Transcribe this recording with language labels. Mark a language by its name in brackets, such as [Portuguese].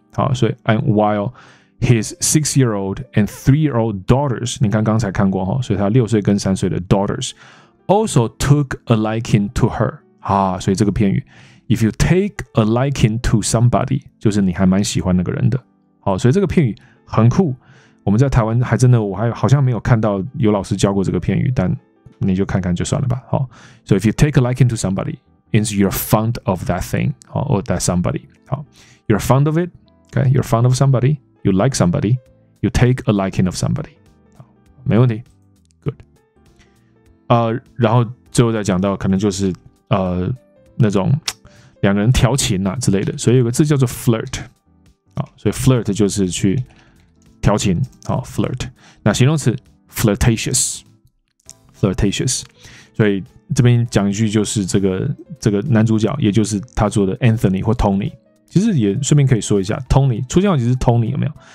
[English] 好，所以 and while his 6-year-old and 3-year-old daughters， [Chinese] 你看刚才看过、哦、所以他6岁跟3岁的 [English] daughters also took a liking to her。 [Chinese] 啊，所以这个片语 ， [English] if you take a liking to somebody， [Chinese] 就是你还蛮喜欢那个人的。好，所以这个片语。很酷，我们在台湾还真的，我还好像没有看到有老师教过这个片语，但你就看看就算了吧。 [English] 好、哦，所、so、以 if you take a liking to somebody, means you're fond of that thing、哦、or that somebody、哦。好 ，you're fond of it, okay? You're fond of somebody, you like somebody, you take a liking of somebody。 [Chinese] 好，没问题 ，good。然后最后再讲到，可能就是那种两个人调情啊之类的，所以有个字叫做 flirt、哦。好，所以 flirt 就是去。调情，好 ，flirt， 那形容词 ，flirtatious， 所以这边讲一句，就是这个男主角，也就是他做的 Anthony 或 Tony， 其实也顺便可以说一下 ，Tony 出现其实 Tony 有没有？